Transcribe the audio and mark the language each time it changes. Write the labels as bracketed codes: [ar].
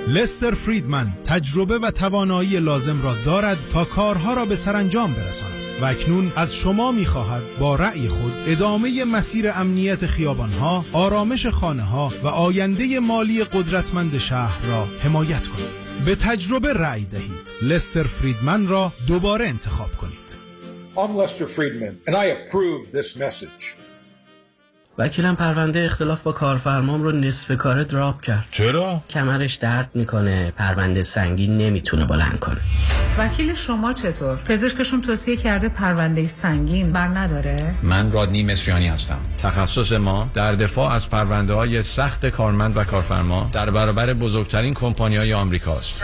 [fa] لستر فریدمن تجربه و توانایی لازم را دارد تا کارها را به سرانجام برساند و اکنون از شما می خواهد با رأی خود ادامه مسیر امنیت خیابانها، آرامش خانه ها و آینده مالی قدرتمند شهر را حمایت کنید. به تجربه رأی دهید. لستر فریدمن را دوباره انتخاب کنید. [en] I'm Lester Friedman and I approve this message. [fa] وکیلم پرونده اختلاف با کارفرمام رو نصف کاره دراپ کرد. چرا؟ کمرش درد میکنه، پرونده سنگین نمیتونه بلند کنه. وکیل شما چطور؟ پزشکشون توصیه کرده پرونده سنگین بر نداره؟ من رادنی مصریانی هستم. تخصص ما در دفاع از پرونده های سخت کارمند و کارفرما در برابر بزرگترین کمپانی های آمریکا است.